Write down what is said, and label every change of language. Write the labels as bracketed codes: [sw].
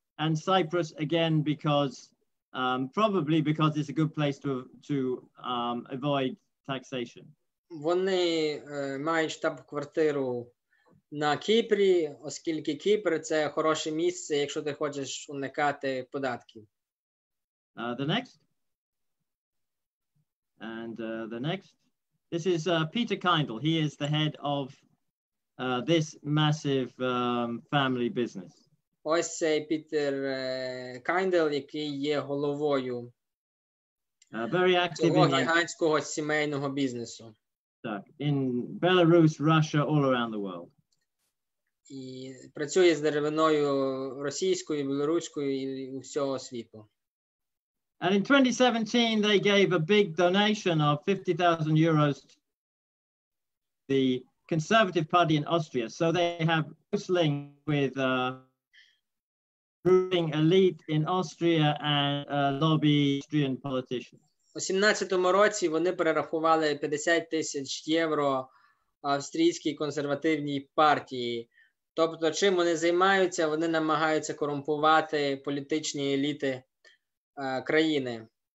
[en] And Cyprus again, because probably because it's a good place to avoid taxation. [uk] Вони мають штаб-квартиру на Кіпрі, оскільки Кіпр це хороше місце, якщо ти хочеш уникати податків. [en] The next. And the next. This is Peter Kindle. He is the head of this massive family business. [uk] Ось цей Пітер Кайндл, який є головою цього гігантського сімейного бізнесу. Так, [en] in Belarus, Russia, all around the world. [uk] І працює з деревиною російською, білоруською і всього світу. [en] And in 2017 they gave a big donation of 50,000 euros to the Conservative Party in Austria, so they have close link with ruling elite in Austria and lobby Austrian politicians. [uk] У 17-му році вони перерахували 50 тисяч євро австрійській консервативній партії. Тобто, чим вони займаються? Вони намагаються корумпувати політичні еліти країни.